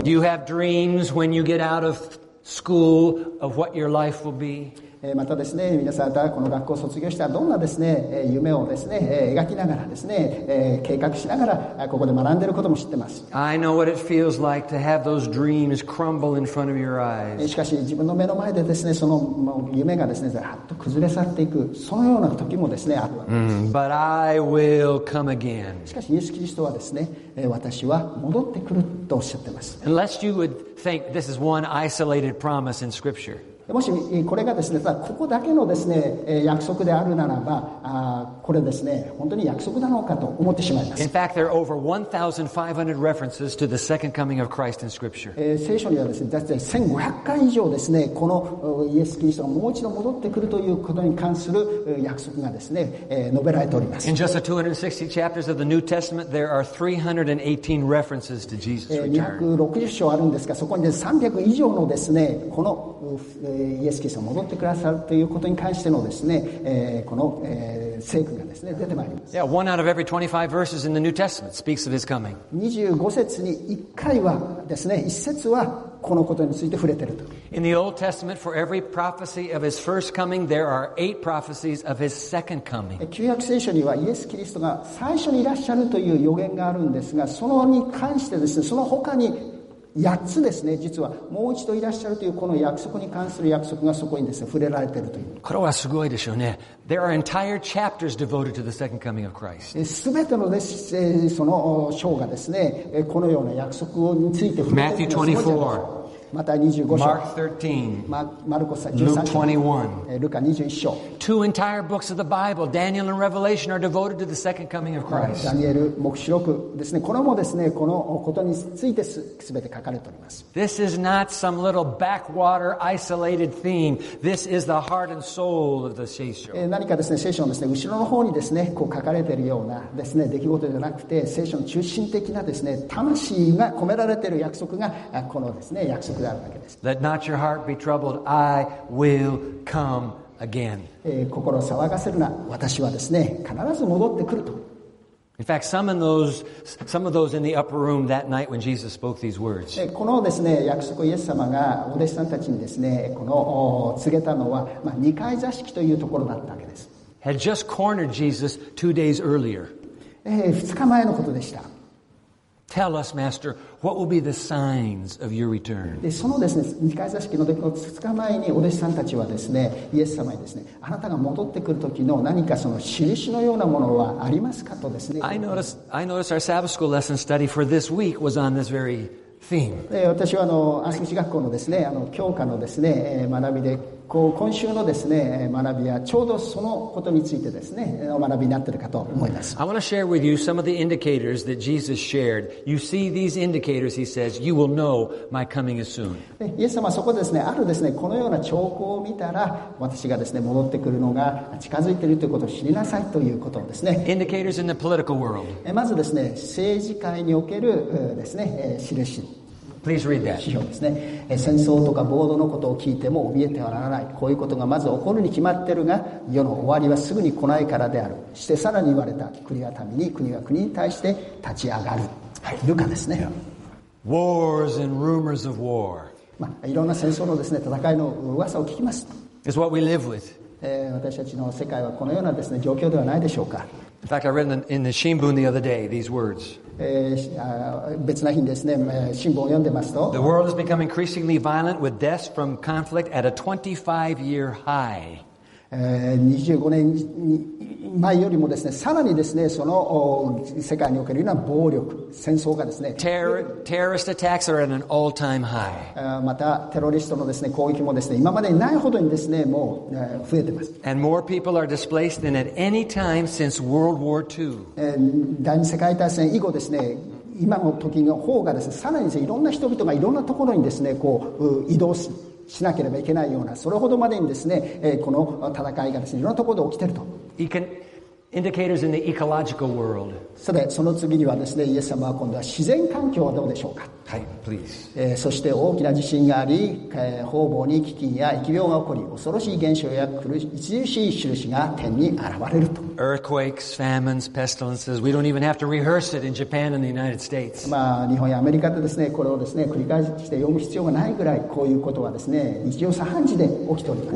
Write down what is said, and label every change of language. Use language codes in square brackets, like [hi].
[en] Do you have dreams when you get out of school of what your life will be? [ja] またですね、皆さん方この学校を卒業したらどんなですね、夢をですね、描きながらですね、計画しながらここで学んでいることも知ってます。 [en] I know what it feels like to have those dreams crumble in front of your eyes. [ja] しかし自分の目の前でですね、その夢がですね、ざっと崩れ去っていく、そのような時もですね、あるわけです。 [en] But I will come again. [ja] しかしイエス・キリストはですね、私は戻ってくるとおっしゃってます。 [en] Unless you would think this is one isolated promise in Scripture. [ja] もしこれがですね、ただここだけのですね、約束であるならば、これですね、本当に約束なのかと思ってしまいます。 [en] In fact, there are over 1,500 references to the second coming of Christ in Scripture. [ja] 聖書にはですね、だって1,500回以上ですね、このイエス・キリストがもう一度戻ってくるということに関する約束がですね、述べられております。 [en] In just the 260 chapters of the New Testament, there are 318 references to Jesus' return. [ja] 260 章あるんですが、そこに、ね、300以上のですね、このイエス・キリストが戻ってくださるということに関してのですね、この聖句がですね、出てまいります。 [en] Yeah, one out of every 25 verses in the New Testament speaks of his coming. [ja] 25節に1回はですね、1節はこのことについて触れていると。 [en] In the Old Testament, for every prophecy of his first coming, there are 8 prophecies of his second coming. [ja] 旧約聖書にはイエス・キリストが最初にいらっしゃるという予言があるんですが、そのに関してですね、その他に8つですね、実はもう一度いらっしゃるというこの約束に関する約束がそこにですね、触れられているという。これはすごいでしょうね。 [en] There are entire chapters devoted to the second coming of Christ. [ja] すべてのです、その章がですね、このような約束について触れている [en] んです。Matthew 24. [ja] また25章 [en] Mark 13, [ja] マルコ13 [en] Luke 21, [ja] ルカ21章 [en] Two entire books of the Bible, Daniel and Revelation, are devoted to the second coming of Christ. [ja] ダニエル黙示録ですね。これもですね、このことについてすべて書かれております。 [en] This is not some little backwater isolated theme. This is the heart and soul of the 聖書。 [ja] 何かですね、聖書のですね、後ろの方にですね、こう書かれているようなですね、出来事じゃなくて、聖書の中心的なですね、魂が込められている約束がこのですね、約束。 [en] Let not your heart be troubled. I will come again. [ja] 心を騒がせるな。私はですね、必ず戻ってくると。 [en] In fact, some of those in the upper room that night when Jesus spoke these words. [ja] このですね、約束イエス様がお弟子さんたちにですね、この告げたのは、二階座敷というところだったわけです。 [en] Had just cornered Jesus 2 days earlier. [ja] 2日前のことでした。 [en] Tell us, Master, what will be the signs of your return? [ja] で、そのですね、二階座敷の出来事2日前にお弟子さんたちはですね、イエス様にですね、あなたが戻ってくる時の何かその印のようなものはありますかとですね。 [en] I noticed our Sabbath school lesson study for this week was on this very theme. [ja] 私は安息日学校のですね、教科のですね、学びで、こう今週のですね、学びはちょうどそのことについてですね、お学びになっているかと思います。 [en] I want to share with you some of the indicators that Jesus shared. You see these indicators, he says, you will know my coming is soon. [ja] イエス様はそこですね、あるですね、このような兆候を見たら、私がですね、戻ってくるのが近づいているということを知りなさいということですね。 [en] Indicators in the political world. [ja] まずですね、政治界におけるですね、印。 [en] Please read that. [ja] 指標ですね。戦争とか暴動のことを聞いても怯えてはならない。こういうことがまず起こるに決まってるが、世の終わりはすぐに来ないからである。してさらに言われた、国が民に、国が国に対して立ち上がる。はい、ルカですね。 [en] Yeah. Wars and rumors of war. [ja] いろんな戦争のですね、戦いの噂を聞きます。 [en] It's what we live with. [ja] 私たちの世界はこのようなですね、状況ではないでしょうか。 [en] In fact, I read in the 新聞 the other day these words. [ja] 別な日にですね、新聞を読んでますと、 [en] The world has become increasingly violent with deaths from conflict at a 25-year high. [ja] 25年前よりもですね、さらにですね、その世界におけるような暴力、戦争がですね、 [en] Terrorist attacks are at an all-time high. [ja] また、テロリストのですね、攻撃もですね、今までにないほどにですね、もう増えてます。 [en] And more people are displaced than at any time since World War II. [ja] 第二次世界大戦以降ですね、今の時の方がですね、さらにですね、いろんな人々がいろんなところにですね、こう移動する。しなければいけないような、それほどまでにですね、この戦いがですね、いろんなところで起きていると。 [en] Indicators in the ecological world. [ja] さて、その次にはですね、イエス様は今度は自然環境はどうでしょうか。はい、please. そして大きな地震があり、方々に飢饉や疫病が起こり、恐ろしい現象や著しい印が天に現れると。 [en] Earthquakes, famines, pestilences. We don't even have to rehearse it in Japan and the United States. [ja] まあ、日本やアメリカでですね、これをですね、繰り返して読む必要がないぐらい、こういうことはですね、日常茶飯事で起きております。